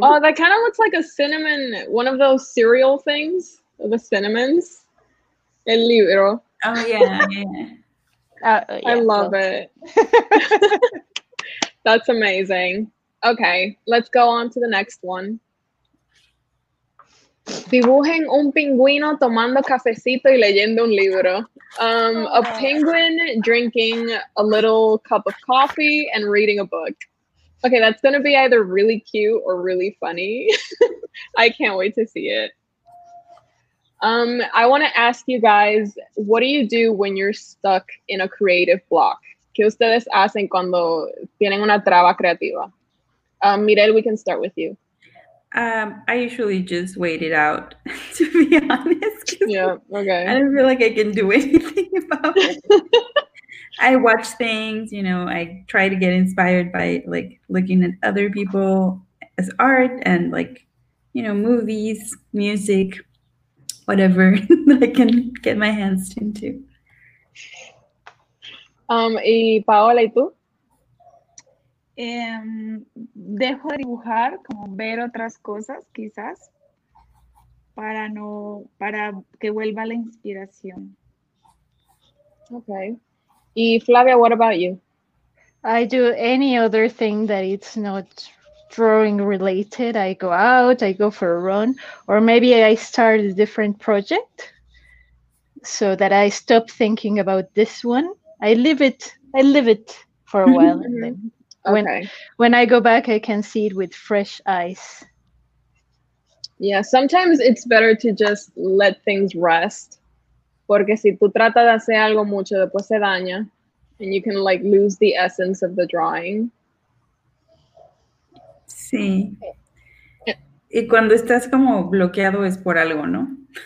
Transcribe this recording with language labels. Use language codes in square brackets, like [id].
[en] Oh, that kind of looks like a cinnamon, one of those cereal things, the cinnamons. [es] El libro. [en] Oh, yeah. I love it. That's amazing. Okay, let's go on to the next one. [es] Dibujen un pingüino tomando cafecito y leyendo un libro. [en] A penguin drinking a little cup of coffee and reading a book. Okay, that's going to be either really cute or really funny. I can't wait to see it. I want to ask you guys, what do you do when you're stuck in a creative block? [es] ¿Qué ustedes hacen cuando tienen una traba creativa? [en] Mirel, we can start with you. I usually just wait it out, to be honest. Yeah, okay. I don't feel like I can do anything about it. I watch things, you know, I try to get inspired by, like, looking at other people as art and, like, you know, movies, music, whatever that I can get my hands into. [es] ¿Y Paola, y tú? Dejo de dibujar, como ver otras cosas, quizás, para que vuelva la inspiración. [en] Okay. Y Flavia, what about you? I do any other thing that it's not drawing related. I go out, I go for a run, or maybe I start a different project so that I stop thinking about this one. I live it for a while and then. Okay. When I go back, I can see it with fresh eyes. Yeah, sometimes it's better to just let things rest. [es] Porque si tú tratas de hacer algo mucho, después se daña. [en] And you can, like, lose the essence of the drawing. [es] Sí. Y cuando estás como bloqueado es por algo, ¿no?